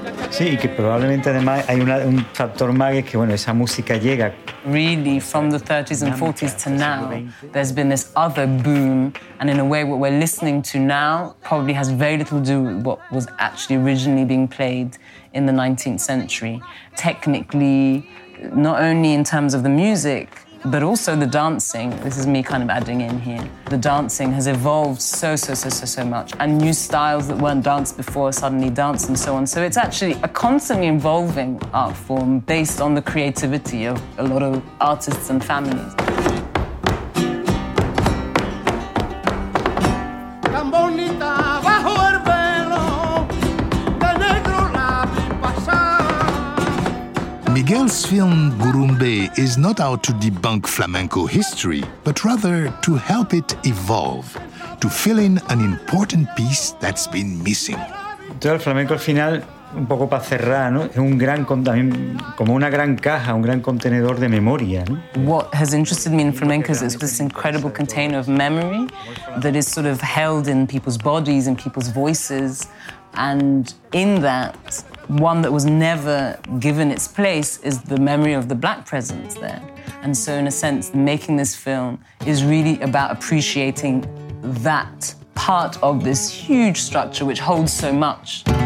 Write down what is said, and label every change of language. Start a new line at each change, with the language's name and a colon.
Spanish: Sí, y que probablemente además hay un factor más que bueno, esa música llega.
English: Really, from the 30s and 40s to now, there's been this other boom, and in a way, what we're listening to now probably has very little to do with what was actually originally being played in the 19th century. Technically, not only in terms of the music, but also the dancing, this is me kind of adding in here, the dancing has evolved so much, and new styles that weren't danced before suddenly dance and so on. So it's actually a constantly evolving art form based on the creativity of a lot of artists and families. Miguel's film Gurumbe is not out to debunk flamenco history, but rather to help it evolve, to fill in an important piece that's been missing.
Spanish: Entonces, el flamenco al final, un poco para cerrar, ¿no? Es un gran, también, como una gran caja, un gran contenedor de memoria, ¿no?
English: What has interested me in flamenco is this incredible container of memory that is sort of held in people's bodies and people's voices. And in that, one that was never given its place is the memory of the black presence there. And so in a sense, making this film is really about appreciating that part of this huge structure which holds so much.